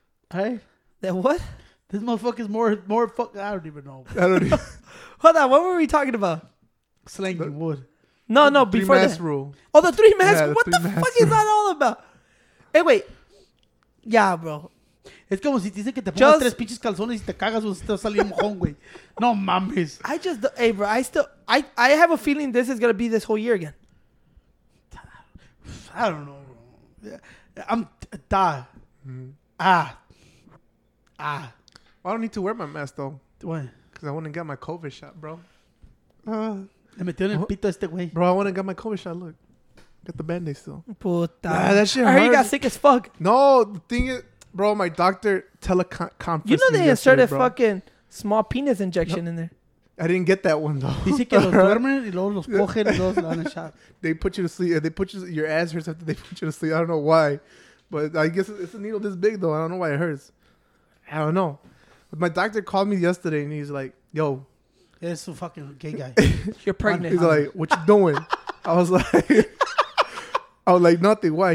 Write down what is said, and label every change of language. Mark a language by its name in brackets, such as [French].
[English] Hey, that what? This motherfucker is more fuck. I don't even know. Hold on, what were we talking about? Slanging wood. No, before the three-mask rule. Oh, the three-mask. Yeah, what the fuck is that all about? Hey, wait. Yeah, bro. [Spanish] Es como si te dicen que te pongas tres pinches calzones y te cagas o te va a salir mojón, güey. No mames. [English] I just, hey, bro, I still, I have a feeling this is going to be this whole year again. I don't know, bro. I'm, Well, I don't need to wear my mask, though. Why? Because I went and got my COVID shot, bro. [Spanish] Le metió en el pito este güey. [English] Bro, I went and got my COVID shot, look. Got the band-aid still. [Spanish] Puta. [English] Nah, that shit I heard you got sick as fuck. No, the thing is, bro, my doctor teleconferenced. You know they inserted fucking small penis injection in there. I didn't get that one, though. [Spanish] Dice que los duermen y luego los cogen y luego se dan a shot. [English] They put you to sleep. They put you, your ass hurts after they put you to sleep. I don't know why. But I guess it's a needle this big, though. I don't know why it hurts. I don't know. But my doctor called me yesterday and he's like, yo. It's a fucking gay guy. You're pregnant. He's like, what you doing? I was like, I was like, nothing. Why?